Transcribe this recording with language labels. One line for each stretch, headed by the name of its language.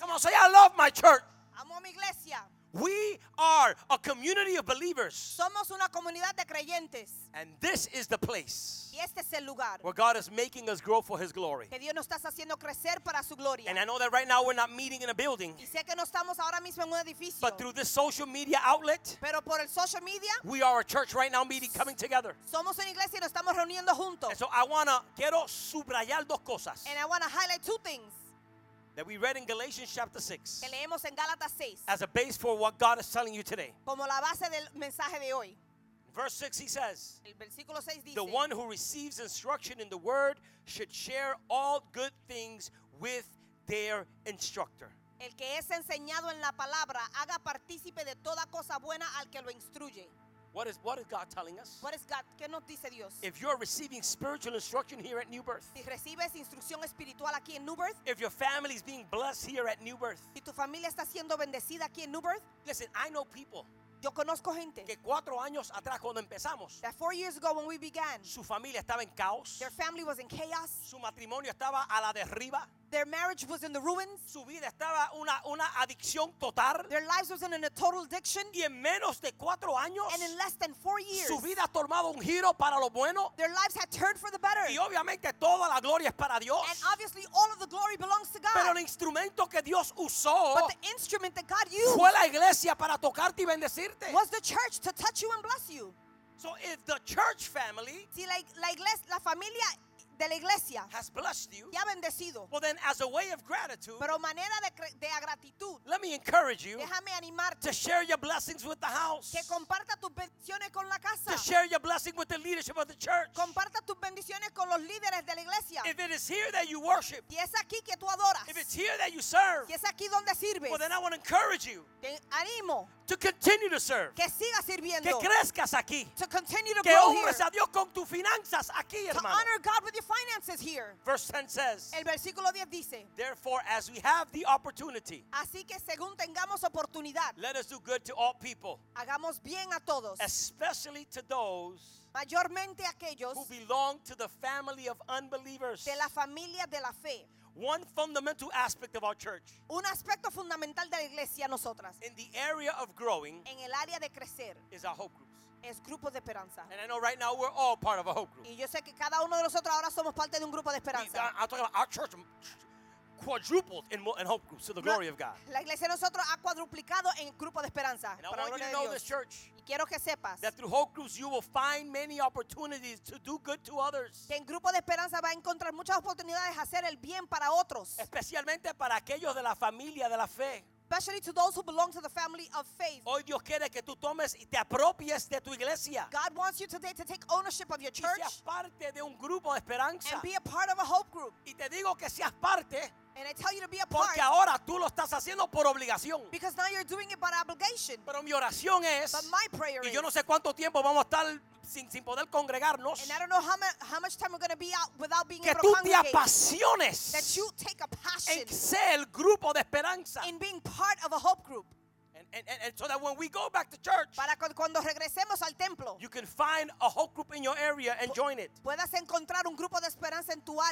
English: Come on, say I love my church.
Spanish: Amo a mi iglesia.
English: We are a community of believers.
Spanish: Somos una comunidad de creyentes.
English: And this is the place.
Spanish: Y este es el lugar.
English: Where God is making us grow for his glory.
Spanish: Que Dios nos está haciendo crecer para su gloria.
English: And I know that right now we're not meeting in a building.
Spanish: Y sé que no estamos ahora mismo en un edificio.
English: But through this social media outlet.
Spanish: Pero por el social media.
English: We are a church right now meeting, coming together.
Spanish: Somos una iglesia y nos estamos reuniendo juntos.
English: And so I wanna
Spanish: quiero subrayar dos cosas.
English: And I wanna highlight two things. That we read in Galatians chapter 6.
Spanish: Que leemos en Gálatas 6.
English: As a base for what God is telling you today.
Spanish: Como la base del mensaje de hoy.
English: Verse 6 he says.
Spanish: El versículo 6 dice.
English: The one who receives instruction in the word should share all good things with their instructor.
Spanish: El que es enseñado en la palabra haga partícipe de toda cosa buena al que lo instruye.
English: What is God telling us? What is God,
Spanish: ¿qué nos dice Dios?
English: If you're receiving spiritual instruction here at New Birth.
Spanish: Si recibes instrucción espiritual aquí en New Birth.
English: If your family is being blessed here at New Birth.
Spanish: Si tu familia está siendo bendecida aquí en New Birth.
English: Listen, I know people.
Spanish: Yo conozco gente. Que 4 años atrás cuando empezamos.
English: That 4 years ago when we began.
Spanish: Su familia estaba en caos.
English: Their family was in chaos.
Spanish: Su matrimonio estaba a la derriba.
English: Their marriage was in the ruins.
Spanish: Su vida estaba una adicción total.
English: Their lives was in a total addiction.
Spanish: Y en menos de 4 años.
English: And in less than 4 years.
Spanish: Su vida ha tomado un giro para lo bueno.
English: Their lives had turned for the better.
Spanish: Y obviamente toda la gloria es para Dios.
English: And obviously all of the glory belongs to God.
Spanish: Pero el instrumento que Dios usó.
English: But the instrument that God used.
Spanish: Fue la iglesia para tocarte y bendecirte.
English: Was the church to touch you and bless you. So if the church family.
Spanish: Si la iglesia, la familia de la iglesia
English: has blessed you,
Spanish: y ha bendecido.
English: Well, then, as a way of gratitude,
Spanish: pero manera de gratitud,
English: let me encourage you,
Spanish: déjame animarte,
English: to share your blessings with the house,
Spanish: que comparta tus bendiciones con la casa,
English: to share your blessing with the leadership of the church,
Spanish: comparta tus bendiciones con los líderes de la iglesia.
English: If it is here that you worship,
Spanish: y es aquí que tú adoras,
English: if it's here that you serve,
Spanish: y es aquí donde sirves,
English: well, then I want to encourage you,
Spanish: te animo,
English: to continue to serve,
Spanish: que siga sirviendo, que crezcas aquí,
English: to continue to
Spanish: que
English: grow here,
Spanish: a Dios con tus finanzas aquí,
English: to
Spanish: hermano,
English: honor God with your finances here. Verse 10 says,
Spanish: el versículo 10 dice,
English: therefore as we have the opportunity,
Spanish: así que según tengamos oportunidad,
English: let us do good to all people,
Spanish: hagamos bien a todos, especially to those, mayormente aquellos,
English: who belong to the family of unbelievers,
Spanish: de la familia de la fe.
English: One fundamental aspect of our church,
Spanish: un aspecto fundamental de la iglesia nosotras,
English: in the area of growing,
Spanish: en el área de crecer,
English: is our hope groups,
Spanish: es grupo de esperanza.
English: And I know right now we're all part of a hope group,
Spanish: y yo sé que cada uno de nosotros ahora somos parte de un grupo de esperanza.
English: I'm talking about our church quadrupled in hope groups to the glory of God.
Spanish: La iglesia nosotros ha cuadruplicado en grupo de esperanza.
English: And I want you to know this church,
Spanish: quiero que sepas,
English: that through hope groups you will find many opportunities to do good to others.
Spanish: Que en grupo de esperanza va a encontrar muchas oportunidades de hacer el bien para otros. Especialmente para aquellos de la familia de la fe.
English: Especially to those who belong to the family of faith.
Spanish: Hoy Dios quiere que tú tomes y te apropies de tu iglesia.
English: God wants you today to take ownership of your church.
Spanish: Y seas parte de un grupo de esperanza.
English: And be a part of a hope group.
Spanish: Y te digo que seas parte.
English: And I tell you to be a part.
Spanish: Porque ahora tú lo estás haciendo por obligación.
English: Because now you're doing it by obligation.
Spanish: Pero mi oración es,
English: but my prayer
Spanish: is, y yo no sé cuánto tiempo vamos a estar sin poder congregarnos,
English: and I don't know how much time we're going to be out without being able
Spanish: que tú te apasiones,
English: that you take a passion,
Spanish: en ser el grupo de esperanza,
English: in being part of a hope group. And so that when we go back to church,
Spanish: para cuando regresemos al templo,
English: you can find a hope group in your area and join it.
Spanish: Puedas encontrar un grupo de esperanza en tu área.